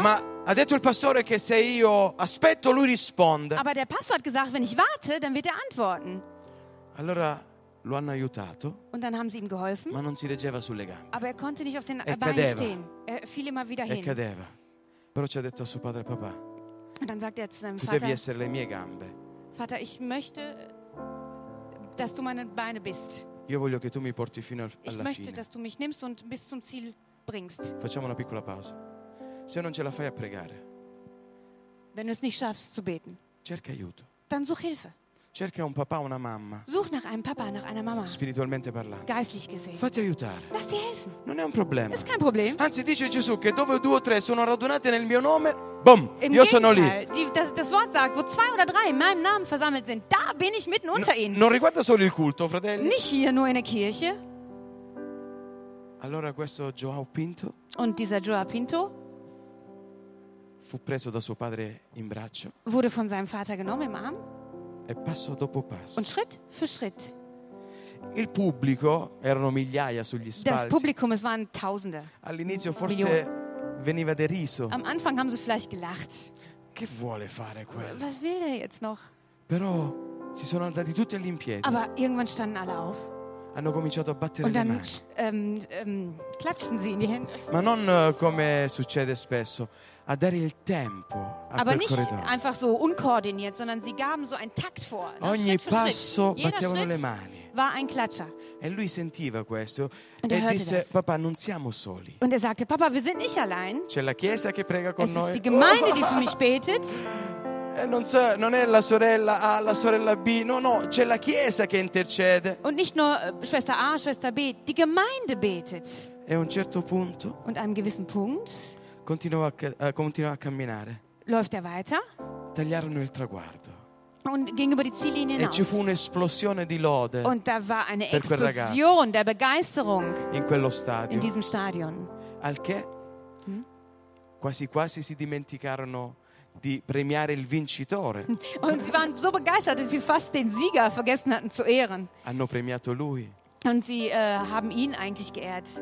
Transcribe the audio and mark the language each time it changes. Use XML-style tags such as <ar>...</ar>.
<it>Ma ha detto il pastore che se io aspetto lui risponde.</it> <de>Aber der Pastor hat gesagt, wenn ich warte, dann wird er antworten.</de> <it>Allora lo hanno aiutato.</it> <de>Und dann haben sie ihm geholfen.</de> <it>Ma non si reggeva sulle gambe.</it> <de>Aber er konnte nicht auf den Beinen stehen. Er fiel immer wieder hin.</de> <it>E cadeva. Però ci ha detto a suo padre e papà.</it> <de>Und dann sagte er zu seinem</de> <it>tu</it> <de>Vater.</de> <it>Tu devi essere le mie gambe.</it> <de>Vater, ich möchte dass du meine Beine bist.</de> <it>Io voglio che tu mi porti fino alla fine.</it> <de>Ich möchte,</de> <it>fine.</it> <de>Dass du mich nimmst und bis zum Ziel bringst.</de> <it>Facciamo una piccola pausa. Se non ce la fai a pregare,</it> <de>wenn du es nicht schaffst zu beten,</de> <it>cerca aiuto.</it> <de>Dann such Hilfe.</de> <it>Cerca un papà, una mamma.</it> <de>Such nach einem Papa, nach einer Mama.</de> <it>Spiritualmente parlando.</it> <de>Geistlich gesehen.</de> <it>Fatti aiutare.</it> <de>Lass sie helfen.</de> <it>Non è un problema.</it> <de>Ist kein Problem.</de> <it>Anzi, dice Gesù che dove due o tre sono radunate nel mio nome, boom, io sono lì.</it> <de>Das Wort sagt, wo zwei oder drei in meinem Namen versammelt sind, da bin ich mitten unter ihnen.</de> <it>Non riguarda solo il culto, fratelli.</it> <de>Nicht hier nur in der Kirche.</de> <it>Allora questo João Pinto.</it> <de>Und dieser João Pinto.</de> <it>Fu preso da suo padre in braccio.</it> <de>Wurde von seinem Vater genommen im Arm.</de> <it>E passo dopo passo.</it> <de>Und Schritt für Schritt.</de> <it>Il pubblico erano migliaia sugli spalti.</it> <de>Das Publikum, es waren Tausende.</de> <it>All'inizio forse Millionen. Veniva deriso.</it> <de>Am Anfang haben sie vielleicht gelacht.</de> <it>Che vuole fare quello?</it> <de>Was will er jetzt noch?</de> <it>Però si sono alzati tutti lì in piedi.</it> <de>Aber irgendwann standen alle auf.</de> <it>Hanno cominciato a battere</it> <de>und dann</de> <it>le mani.</it> <de>Klatschten sie in die Hände.</de> <it>Ma non come succede spesso. A dare il tempo a</it> <de>aber nicht corridor. Einfach so unkoordiniert, sondern sie gaben so einen Takt vor.</de> <it>Ogni</it> <de>Schritt</de> <it>passo</it> <de>Schritt.</de> <it>Battevano le mani.</it> <de>War ein Klatscher.</de> <it>E lui sentiva questo</it> <de>und</de> <it>e disse:</it> <de>das.</de> <it>Papa, non siamo soli.</it> <de>Und er sagte: Papa, wir sind nicht allein.</de> <it>C'è la chiesa che prega con</it> <de>es</de> <it>noi.</it> <de>Ist die Gemeinde, die für mich betet.</de> <it>E non, so, non è la sorella A, la sorella B. No, no, c'è la chiesa che intercede.</it> <de>Und nicht nur Schwester A, Schwester B. Die Gemeinde betet.</de> <it>E a un certo punto.</it> <de>Und einem gewissen Punkt.</de> <it>Continuò a camminare.</it> <de>Läuft er weiter?</de> <it>Tagliarono il traguardo.</it> <de>Und ging über die Ziellinie hinaus.</de> <it>E ci fu un'esplosione di lode.</it> <de>Und da war eine Explosion der Begeisterung.</de> <it>In quello stadio.</it> <de>In diesem Stadion.</de> <it>Al che quasi quasi si dimenticarono di premiare il vincitore.</it> <de>Und sie waren so begeistert, dass sie fast den Sieger vergessen hatten zu ehren.</de> <it>Hanno premiato lui.</it> <de>Und sie haben ihn eigentlich geehrt.</de>